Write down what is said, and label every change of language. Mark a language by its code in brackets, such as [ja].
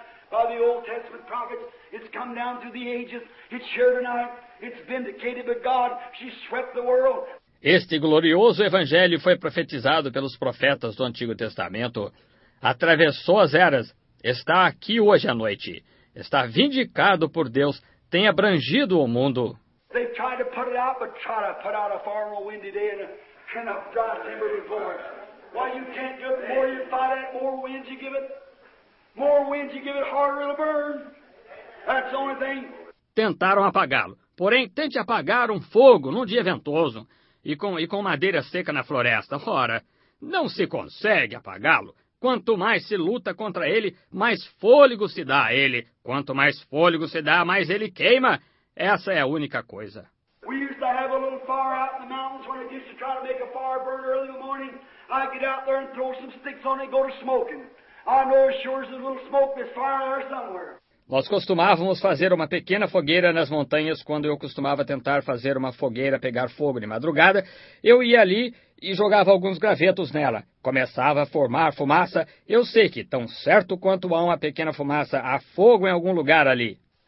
[en] By the Old Testament prophets, it's come down through the ages, it's shared tonight, it's vindicated by God, she swept the world. [pt] Este glorioso evangelho foi profetizado pelos profetas do Antigo Testamento, atravessou as eras, está aqui hoje à noite, está vindicado por Deus, tem abrangido o mundo. [en] They tried to put it out, but tried to put out a far more windy day and a dry timber before it. Why, you can't do it, the more you fight it, more winds you give it. More wind, you give it harder, it'll burn. That's the only thing. [pt] Tentaram apagá-lo. Porém, tente apagar um fogo num dia ventoso e com madeira seca na floresta. Ora, não se consegue apagá-lo. Quanto mais se luta contra ele, mais fôlego se dá a ele. Quanto mais fôlego se dá, mais ele queima. Essa é a única coisa. [en] We used to have a little fire out in the mountains when I used to try to make a fire burn early in the morning. I'd get out there and throw some sticks on it and go to smoking. I know as sure as a little smoke there's fire there somewhere. [pt] Nós costumávamos fazer uma pequena fogueira nas montanhas quando eu costumava tentar fazer uma fogueira pegar fogo de madrugada. Eu ia ali e jogava alguns gravetos nela. Começava a formar fumaça. Eu sei que, tão certo quanto há uma pequena fumaça, há fogo em algum lugar ali.